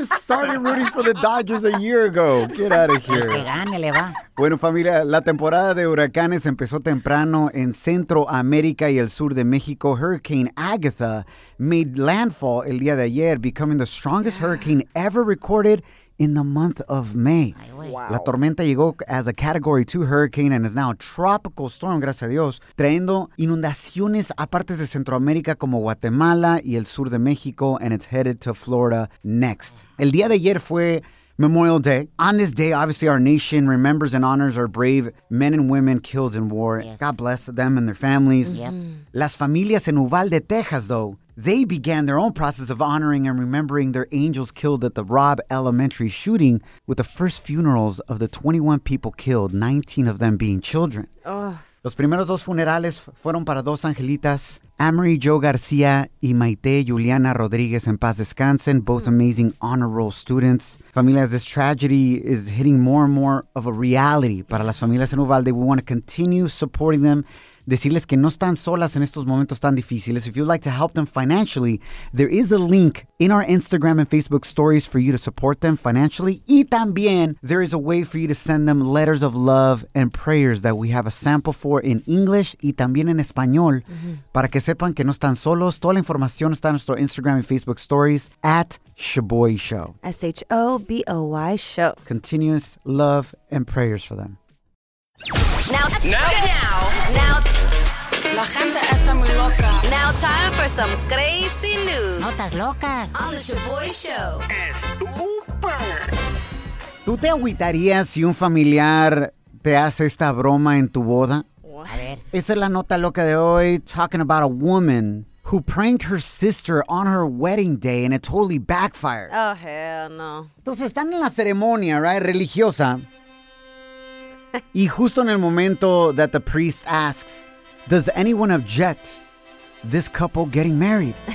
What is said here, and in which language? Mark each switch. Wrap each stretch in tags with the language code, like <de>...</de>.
<en>You just started rooting for the Dodgers a year ago. Get out of here.</en> <es>Que gane, le va. Bueno, familia, la temporada de huracanes empezó temprano en Centroamérica y el sur de México.</es> <en>Hurricane Agatha made landfall</en> <es>el día de ayer,</es> <en>becoming the strongest hurricane ever recorded in the month of May. Wow.</en> <es>La tormenta llegó</es> <en>as a Category 2 hurricane and is now a tropical storm,</en> <es>gracias a Dios, trayendo inundaciones a partes de Centroamérica como Guatemala y el sur de México,</es> <en>and it's headed to Florida next.</en> <es>El día de ayer fue Memorial Day.</es> <en>On this day, obviously, our nation remembers and honors our brave men and women killed in war. Yes. God bless them and their families. Yep.</en> <es>Las familias en Uvalde,</es> <en>Texas, though, they began their own process of honoring and remembering their angels killed at the Robb Elementary shooting with the first funerals of the 21 people killed, 19 of them being children.</en> <es>Los primeros dos funerales fueron para dos angelitas, Amory Jo Garcia y Maite Juliana Rodriguez, en paz descansen,</es> <en>both amazing honor roll students. Familias, this tragedy is hitting more and more of a reality.</en> <es>Para las familias en Uvalde,</es> <en>we want to continue supporting them.</en> <es>Decirles que no están solas en estos momentos tan difíciles.</es> <en>If you'd like to help them financially, there is a link in our Instagram and Facebook stories for you to support them financially. Y también, there is a way for you to send them letters of love and prayers that we have a sample for in English</en> <es>y también en español.</es> <en>Mm-hmm.</en> <es>Para que sepan que no están solos, toda la información está en nuestro Instagram and Facebook stories at Shaboy Show.</es> <en>Shaboy Show. Continuous love and prayers for them. Now,</en> <es>la gente está muy loca.</es> <en>Now time for some crazy news.</en> <es>Notas locas.</es> <en>On the Shaboy Show. Estúper.</en> <es>¿Tú te agüitarías si un familiar te hace esta broma en tu boda?</es> <en>What?</en> <es>A ver. Esa es la nota loca de hoy,</es> <en>talking about a woman who pranked her sister on her wedding day and it totally backfired. Oh, hell no.</en> <es>Entonces están en la ceremonia, right, religiosa. Y justo en el momento</es> <en>that the priest asks, does anyone object this couple getting married?</en>